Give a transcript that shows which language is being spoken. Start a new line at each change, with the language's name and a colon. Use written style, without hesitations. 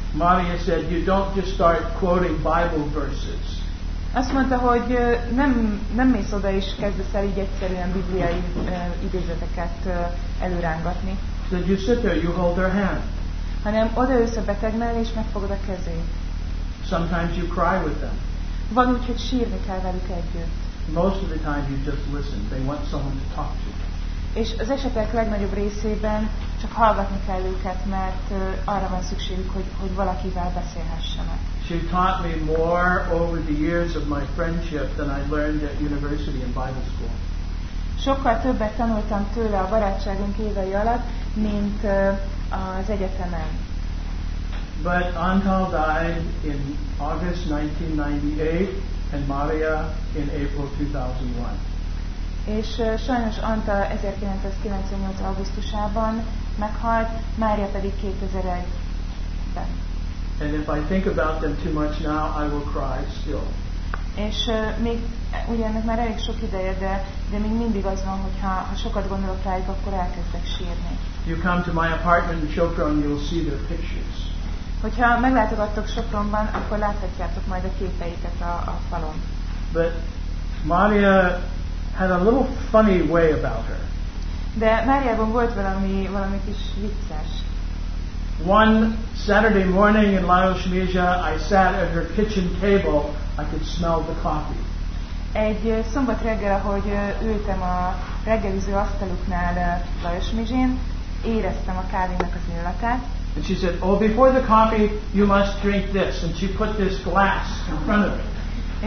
English: Maria said, you don't just start quoting Bible verses.
Hungarian: Azt mondta, hogy nem mész oda és kezdesz el így egyszerűen bibliai idézeteket előrángatni.
English: So you sit there, you hold their hand.
Hungarian: Hanem odaülsz a beteg mellé és megfogod a kezét.
English: Sometimes you cry with them.
Hungarian: Van úgy, hogy sírni kell velük együtt.
English: Most of the time you just listen. They want someone to talk to.
Hungarian: És az esetek legnagyobb részében csak hallgatni kell őket, mert arra van szükségük, hogy valakivel beszélhessenek.
English: She taught me more over the years of my friendship than I learned at university and Bible school.
Hungarian: Sokkal többet tanultam tőle a barátságunk évei alatt, mint az egyetemen.
English: But Antal died in August 1998 and Maria in April 2001.
Hungarian: És sajnos Anta 1998. augusztusában meghalt, Mária pedig 2001-ben.
English: And if I think about them too much now, I will cry still.
Hungarian: És még ugye ennek már elég sok ideje, de még mindig az van, hogy ha sokat gondolok rájuk, akkor elkezdek sírni.
English: You come to my apartment in Sopron, you will see their pictures.
Hungarian: Hogyha meglátogattok Sopronban, akkor láthatjátok majd a képeiket a falon.
English: But Maria had a little funny way about her.
Hungarian: De Máriában volt valami kis vicces.
English: One Saturday morning in Lajosmezsa, I sat at her kitchen table. I could smell the coffee.
Hungarian: Egy szombat reggel, ahogy ültem a reggeliző asztaluknál Lajosmezsén, éreztem a kávénak az illatát.
English: And she said, "Oh, before the coffee, you must drink this." And she put this glass in front of me.